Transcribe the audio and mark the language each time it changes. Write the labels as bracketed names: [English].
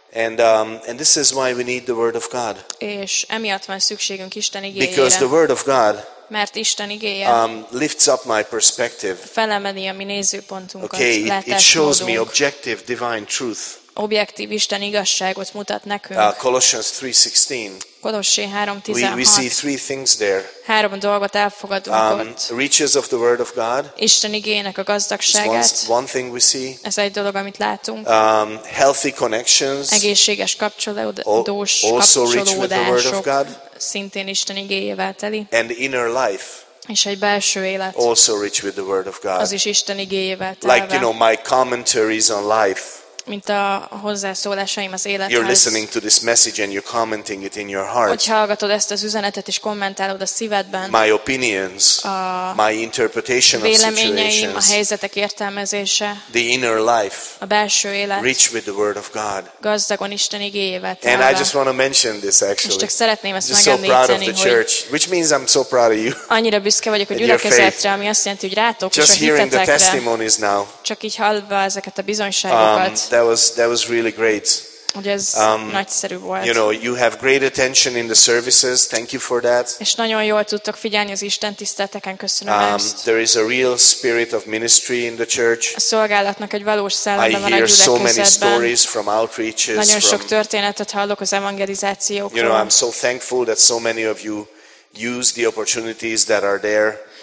[English] And this is why we need the word of God. [Hungarian] És emiatt van szükségünk Isten igéjére. [English] Because the word of God. [Hungarian] Mert Isten igéje. [English] Lifts up my perspective. [Hungarian] Felemeli a mi nézőpontunkat. [English] Okay, it shows me objective divine truth. [Hungarian] Objektív Isten igazságot mutat nekünk. [English] Colossians 3:16. [Hungarian] Kolossé 3:16. [English] We see three things there. [Hungarian] Három dolgot elfogadunk ott. [English] Riches of the word of God. [Hungarian] Isten igéjének a gazdagságát. [English] One thing we see. [Hungarian] Ez egy dolog, amit látunk. [English] Healthy connections. [Hungarian] Egészséges kapcsolódás. [English] Also rich with the word of God. [Hungarian] Szintén Isten igéjével teli. [English] And inner life. [Hungarian] És egy belső élet. [English] Also rich with the word of God. [Hungarian] Az is Isten igéjével telve. [English] Like, you know, my commentaries on life. [Hungarian] Mint a hozzászólásaim az élethez. [English] You're listening to this message and you're commenting it in your heart. [Hungarian] Hogy hallgatod ezt az üzenetet és kommentálod a szívedben. [English] My opinions, my interpretation of situations. [Hungarian] Véleményeim, a helyzetek értelmezése. [English] The inner life. [Hungarian] A belső élet. [English] Rich with the word of God. [Hungarian] Gazdagon Isten igéjével telve. [English] And I just want to mention this actually. [Hungarian] És csak szeretném ezt megemlíteni, hogy. [English] So proud of the church, which means I'm so proud of you. [Hungarian] Annyira büszke vagyok a gyülekezetre, ami azt jelenti, hogy rátok [English] just [Hungarian] és a hitetekre. [English] Just hearing the testimonies now. [Hungarian] Csak így hallva ezeket a bizonyságokat. [English] That was really great. [Hungarian] Ez nagyszerű volt. [English] You know, you have great attention in the services. Thank you for that. [Hungarian] És nagyon jól tudtok figyelni az Isten tiszteleteken. Köszönöm ezt. [English] There is a real spirit of ministry in the church. [Hungarian] A szolgálatnak egy valós szelleme van a gyülekezetben. [English] I hear so many stories from outreaches. [Hungarian] Nagyon sok történetet hallok az evangelizációkról. [English] You know, I'm so thankful that so many of you use the opportunities that are there.